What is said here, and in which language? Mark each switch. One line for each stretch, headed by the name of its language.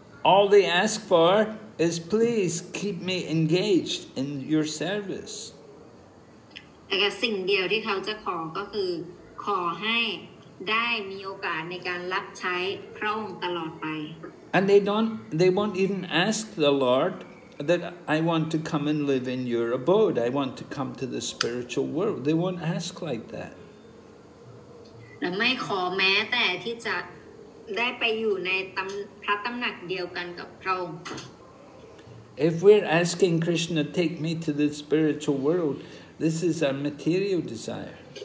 English: All they ask for is, please keep me engaged in your service.
Thai: แต่สิ่งเดียวที่เขาจะขอก็คือ ขขอให้ได้มีโอกาสในการรับใช้พระองค์ตลอดไป
English: And they won't even ask the Lord that I want to come and live in your abode. I want to come to the spiritual world. They won't ask like that.
Thai: และไม่ขอแม้แต่ที่จะได้ไปอยู่ในพระตำหนักเดียวกันกับพระองค์
English: If we're asking Krishna, take me to the spiritual world, this is our material desire.